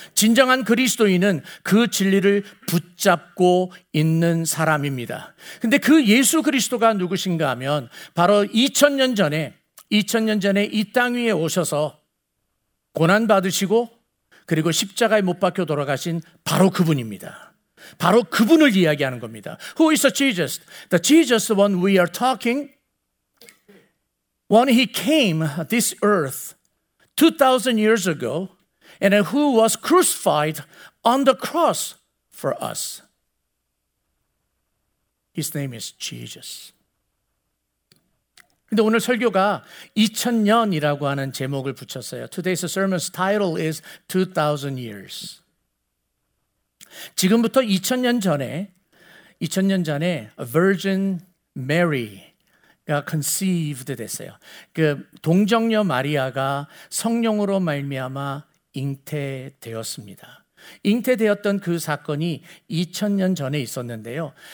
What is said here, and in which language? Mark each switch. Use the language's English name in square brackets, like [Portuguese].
[Korean] 진정한 그리스도인은 그 진리를 붙잡고 있는 사람입니다. 근데 그 예수 그리스도가 누구신가 하면 바로 2000년 전에 이 땅 위에 오셔서 고난받으시고 그리고 십자가에 못 박혀 돌아가신 바로 그분입니다. 바로 그분을 이야기하는 겁니다. [English] Who is the Jesus? The Jesus one we are talking. When he came this earth 2,000 years ago and who was crucified on the cross for us. His name is Jesus. [Korean] 근데 오늘 설교가 2000년이라고 하는 제목을 붙였어요. [English] Today's sermon's title is 2,000 years. [Korean] 지금부터 2000년 전에 a Virgin Mary가 conceived 됐어요. 그 동정녀 마리아가 성령으로 말미암아 잉태되었습니다. 잉태되었던 그 사건이 2000년 전에 있었는데요.